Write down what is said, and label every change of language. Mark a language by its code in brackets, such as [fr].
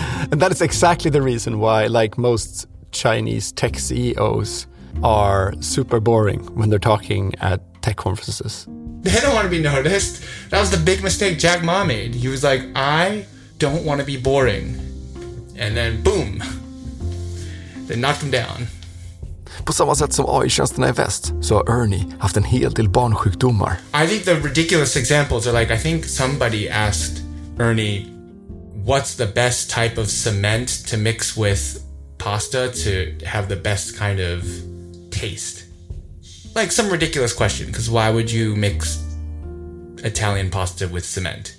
[en] And that is exactly the reason why, like, most Chinese tech CEOs are super boring when they're talking at tech conferences. They don't want to be noticed. That was the big mistake Jack Ma made. He was like, I don't want to be boring. And then, boom. They knocked him down. [sv] På samma sätt som AI tjänsterna är väst, så har Ernie haft en hel del barnsjukdomar. [en] I think the ridiculous examples are like, I think somebody asked Ernie, what's the best type of cement to mix with pasta to have the best kind of taste? Like, some ridiculous question, because why would you mix Italian pasta with cement?